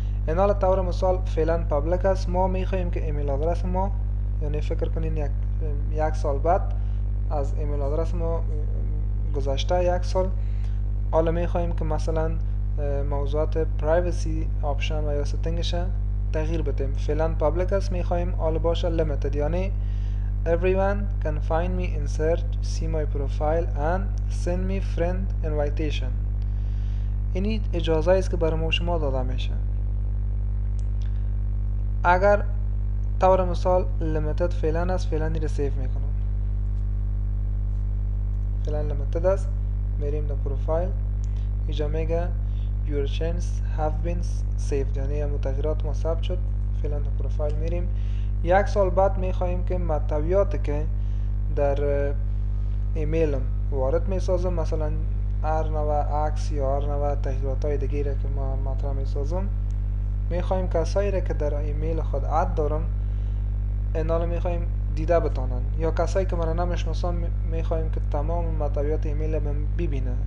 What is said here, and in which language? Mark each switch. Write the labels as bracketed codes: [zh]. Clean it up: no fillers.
[fa] این حالا طور مثال فعلا پابلیک است. ما میخواییم که ایمیل آدرس ما، یعنی فکر کنین یک سال بعد از ایمیل آدرس ما گذشته یک سال، حالا میخواییم که مثلا موضوعات پرایوسی آپشن و یا ستنگش تغییر بدیم. فعلا پابلیک است، میخواییم حالا باشه لیمیتد، یعنی [en] Everyone can find me in search, see my profile and send me friend invitation. [fa] اینی اجازه است که برای ما شما داده میشه. اگر طور مثال limited فعلا است، فعلا نیره سیف میکنم. فعلا limited است. میریم در پروفایل. اینجا میگه [en] your chains have been saved. [fa] یعنی متغیرات ما ثبت شد. فعلا در پروفایل میریم. یک سال بعد می خواهیم که محتویات که در ایمیل وارد می سازم، مثلا هر نوع عکس یا هر نوع تغییرات های دیگه را که ما مطرح می سازم، می خواهیم کسایی را که در ایمیل خود اد دارم اینال می خواهیم دیده بتانن، یا کسایی که من نمیشناسم می خواهیم که تمام محتویات ایمیل را ببینه.